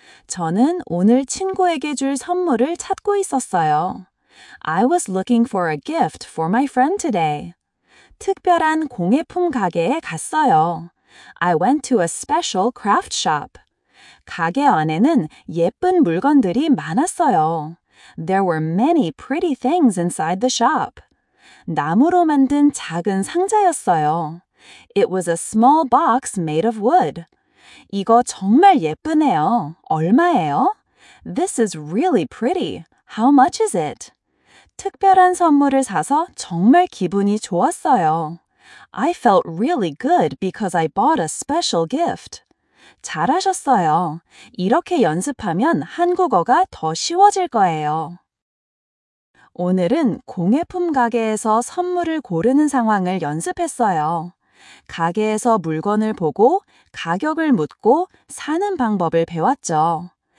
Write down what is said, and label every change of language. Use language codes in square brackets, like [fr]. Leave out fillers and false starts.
[ko] 저는 오늘 친구에게 줄 선물을 찾고 있었어요. [en] I was looking for a gift for my friend today. [ko] 특별한 공예품 가게에 갔어요. [en] I went to a special craft shop. [ko] 가게 안에는 예쁜 물건들이 많았어요. [en] There were many pretty things inside the shop. [ko] 나무로 만든 작은 상자였어요. [en] It was a small box made of wood. [ko] 이거 정말 예쁘네요. 얼마예요? [en] This is really pretty. How much is it? [ko] 특별한 선물을 사서 정말 기분이 좋았어요. [en] I felt really good because I bought a special gift. [ko] 잘하셨어요. 이렇게 연습하면 한국어가 더 쉬워질 거예요. 오늘은 공예품 가게에서 선물을 고르는 상황을 연습했어요. 가게에서 물건을 보고 가격을 묻고 사는 방법을 배웠죠.